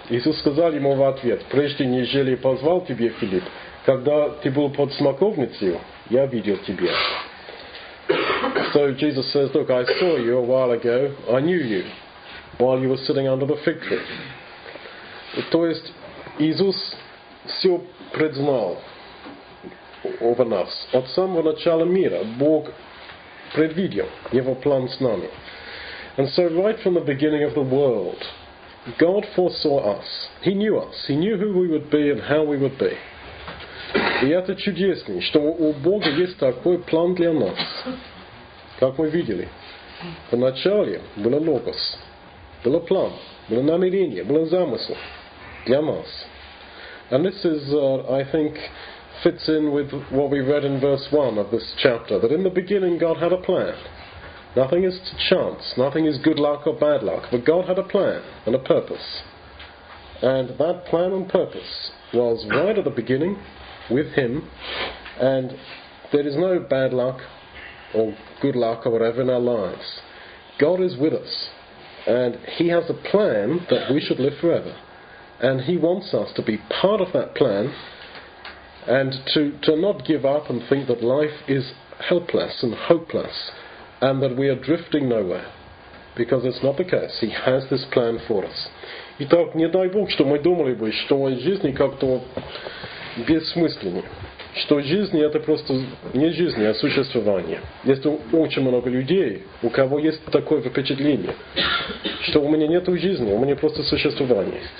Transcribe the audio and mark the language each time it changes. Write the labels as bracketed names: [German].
[Russian] Иисус сказал ему в ответ, «Прежде, нежели позвал тебе, Филипп, когда ты был под смоковницей, я видел тебя». [English] So Jesus says, look, I saw you a while ago, I knew you, while you were sitting under the fig tree. [Russian] То есть, Иисус все предзнал [English] over us. [Russian] От самого начала мира Бог предвидел его план с нами. [English] And so right from the beginning of the world, God foresaw us. He knew us. He knew who we would be and how we would be. [Russian] И это чудесно, что у Бога есть такой план для нас. Как мы видели, в начале был логос, был план, было намерение, был замысел для нас. [English] And this is, I think, fits in with what we read in verse 1 of this chapter, that in the beginning God had a plan. Nothing is chance, nothing is good luck or bad luck, but God had a plan and a purpose. And that plan and purpose was right at the beginning with him, and there is no bad luck or good luck or whatever in our lives. God is with us, and he has a plan that we should live forever. And he wants us to be part of that plan, and to not give up and think that life is helpless and hopeless and that we are drifting nowhere, because it's not the case. He has this plan for us. [Russian] Итак, не дай Бог, что мы думали бы, что жизнь как-то бессмысленна, что жизнь это просто не жизнь, а существование. Есть очень много людей, у кого есть такое впечатление, что у меня нет жизни, у меня просто существование.